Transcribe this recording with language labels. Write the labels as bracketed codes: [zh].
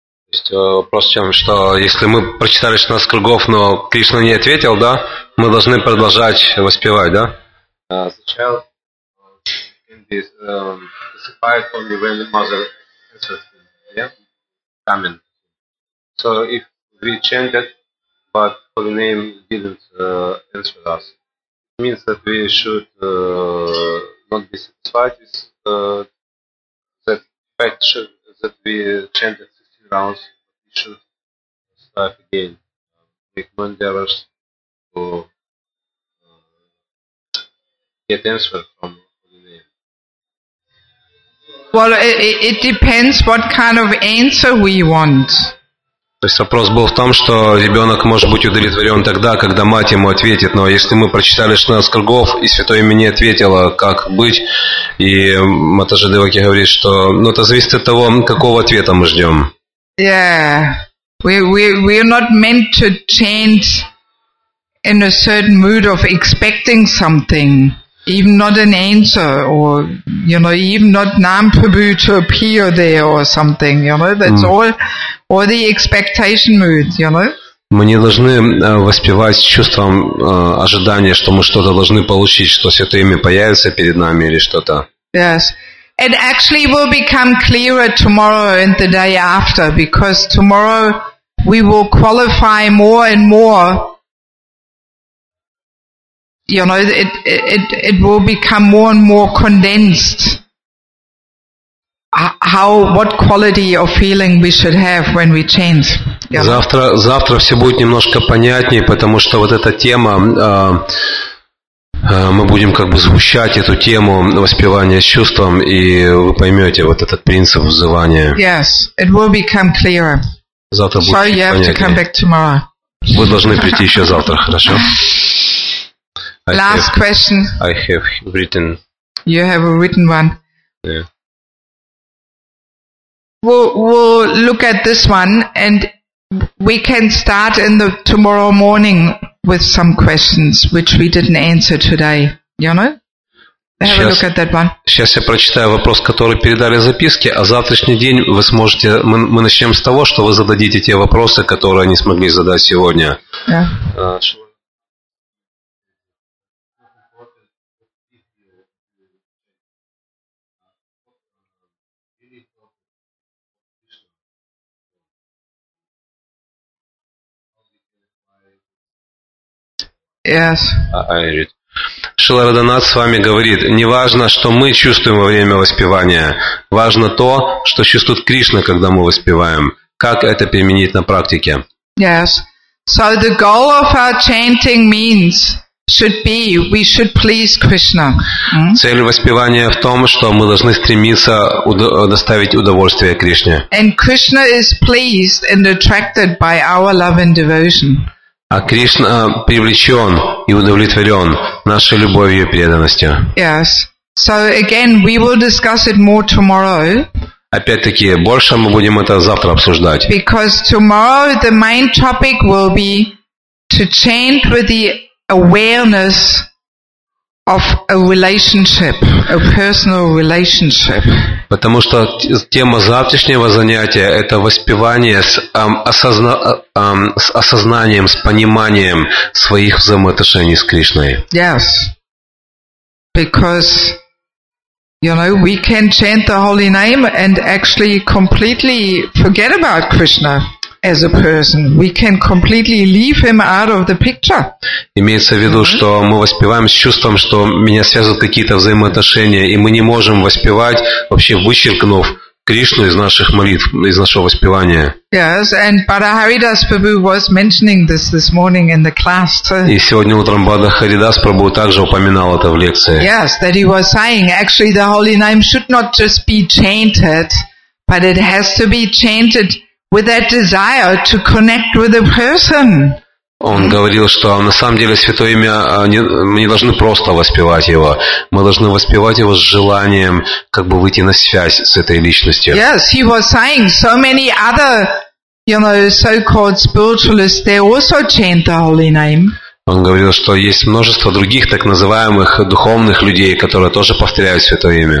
[ru] То есть вопрос в чем, что если мы прочитали 16 кругов, но Кришна не ответил, да, мы должны продолжать воспевать, да? [en] As a child, can be pacified only when the mother answers him. Yeah? Amen. So if we chanted, but Holy Name didn't answer us, it means that we should not be satisfied with that fact that we chanted 16 rounds, we should start again, make more endeavors to get answer from the name. Well, it depends what kind of answer we want. [ru] То есть вопрос был в том, что ребенок может быть удовлетворен тогда, когда мать ему ответит. Но если мы прочитали 16 кругов, и Святое имя не ответило, как быть, и Матаджи Деваки говорит, что ну, это зависит от того, какого ответа мы ждем. [en] Yeah. We are not meant to chant in a certain mood of expecting something. Even not an answer, or, you know, even not Nam Prabhu to appear there or something, you know, that's all the expectation mood, you know. [ru] Мы не должны воспевать с чувством ожидания, что мы что-то должны получить, что Святое Имя появится перед нами или что-то. [en] Yes, it actually will become clearer tomorrow and the day after, because tomorrow we will qualify more and more. You know, it will become more and more condensed. How, what quality of feeling we should have when we chant? [ru] Завтра все будет немножко понятнее, потому что вот эта тема, мы будем как бы сгущать эту тему воспевания с чувством, и вы поймете вот этот принцип взывания. [en] Yes, it will become clearer. [ru] Завтра будет понятнее. [en] So you have to come back tomorrow. [ru] Вы должны прийти еще завтра, хорошо? [en] Last question. I have written. You have a written one. Yeah. We'll look at this one, and we can start in the tomorrow morning with some questions which we didn't answer today. You know? Have a look at that one. [ru] Сейчас я прочитаю вопрос, который передали записки, а завтрашний день вы сможете. Мы начнем с того, что вы зададите те вопросы, которые они смогли задать сегодня. [en] Yeah. Yes. I read. [ru] Шрила Радханатха с вами говорит, не важно, что мы чувствуем во время воспевания, важно то, что чувствует Кришна, когда мы воспеваем. Как это применить на практике? [en] Yes. So the goal of our chanting means should be we should please Krishna. [ru] Цель воспевания в том, что мы должны стремиться доставить удовольствие Кришне. [en] And Krishna is pleased and attracted by our love and devotion. [ru] А Кришна привлечен и удовлетворен нашей любовью и преданностью. [en] Yes. So again, we will discuss it more tomorrow. [ru] Опять-таки, больше мы будем это завтра обсуждать. [en] Because tomorrow the main topic will be to chant with the awareness of a relationship, a personal relationship. [ru] Потому что тема завтрашнего занятия – это воспевание с, с осознанием, с пониманием своих взаимоотношений с Кришной. [en] Yes, because, you know, we can chant the holy name and actually completely forget about Krishna. As a person, we can completely leave him out of the picture. [ru] Имеется в виду, что мы воспеваем с чувством, что меня связывают какие-то взаимоотношения, и мы не можем воспевать, вообще вычеркнув Кришну из наших молитв, из нашего воспевания. [en] Yes, and Bharatharidas Prabhu was mentioning this morning in the class. [ru] И сегодня утром Бхарадхаридас Прабху также упоминал это в лекции. [en] Yes, that he was saying actually the holy name should not just be chanted, but it has to be chanted with that desire to connect with a person. [ru] Он говорил, что на самом деле Святое Имя мы не должны просто воспевать его. Мы должны воспевать его с желанием как бы выйти на связь с этой личностью. [en] Yes, he was saying so many other, you know, so-called spiritualists, they also chant the holy name. [ru] Он говорил, что есть множество других так называемых духовных людей, которые тоже повторяют Святое Имя.